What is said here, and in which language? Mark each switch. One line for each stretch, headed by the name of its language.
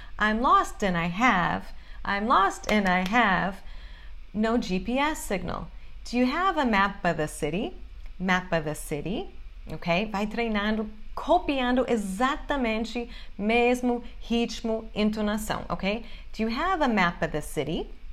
English: I'm lost and I have no GPS signal. Do you have a map of the city? Map of the city. Ok?
Portuguese: Vai treinando, copiando exatamente mesmo ritmo, entonação, ok?
English: Do you have a map of the city?